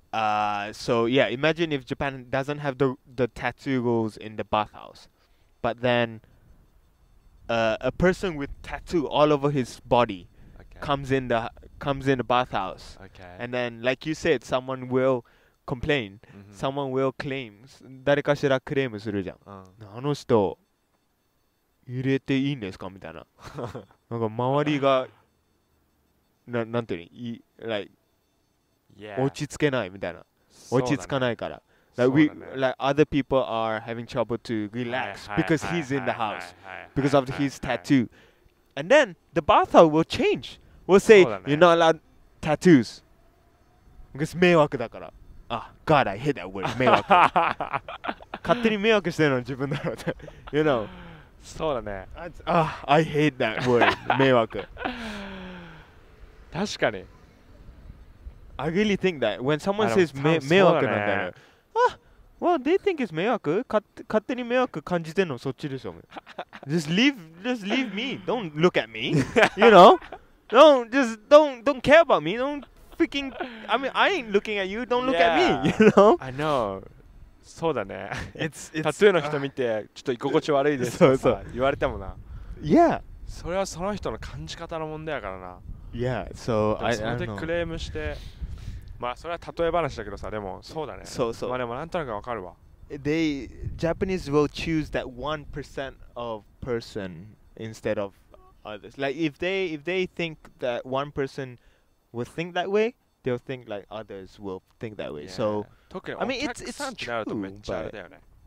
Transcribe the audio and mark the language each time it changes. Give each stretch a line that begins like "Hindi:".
English: Imagine if Japan doesn't have the tattoo rules in the bathhouse. But then... a person with tattoo all over his body comes in the bathhouse. Okay. And then, like you said, someone will complain. Mm-hmm. Someone will claim.
Japanese: 誰かしらクレームするじゃん。あの人、入れていいんですかみたいな。なんか周りが、なんていうの、落ち着けないみたいな。落ち着かないから。
English: Like other people are having trouble to relax because he's in the house because of his tattoo. And then the bathhouse will change. We'll say, you're not allowed tattoos. Because
Japanese: 迷惑だから。
English: Ah, God, I hate that word, 迷惑。
Japanese: 勝手に迷惑してるの自分だろって。
English: You know.
Japanese: そうだね。
English: I hate that word, 迷惑。
Japanese: 確かに。
English: I really think that when someone says
Japanese: 迷惑なんだよ。
English: Well, they think it's 迷惑?
Japanese: 勝手に迷惑感じてんのそっちでしょ?
English: just leave me. Don't look at me. You know? Don't care about me. I ain't looking at you. Don't look at me. You know? I know.
Japanese: そうだね。
English: It's
Japanese: タトゥーの人見て、ちょっと居心地悪いですとか言われてもな。
English: Yeah.
Japanese: それはその人の感じ方の問題やからな。
English: Yeah, so I don't know.
Japanese: それでクレームして…まあそれは例え話だけどさでもそうだねそうそうまあでもなんとなくわかるわ
English: They Japanese will choose that 1% of person instead of others like if they think that one person will think that way they'll think like others will think that way so
Japanese: 特にお客さんになるとめっちゃあれだよね